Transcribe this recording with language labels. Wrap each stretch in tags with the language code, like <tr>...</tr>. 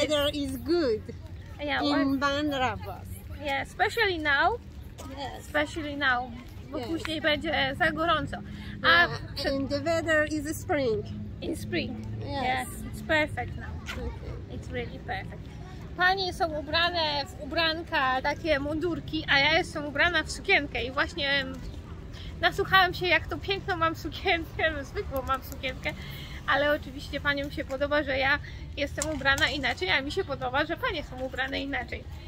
<en>The weather is good in Bandrabas. Yeah, especially now. Especially now,</en> <pl>bo później będzie za gorąco.</pl> <en>A and the weather is a spring. In spring. Yes. It's perfect now. Okay. It's really perfect.</en> <pl>Panie są ubrane w ubranka, takie mundurki, a ja jestem ubrana w sukienkę i właśnie nasłuchałam się, jak to piękną mam sukienkę, zwykłą mam sukienkę, ale oczywiście paniom się podoba, że ja jestem ubrana inaczej, a mi się podoba, że panie są ubrane inaczej.</pl>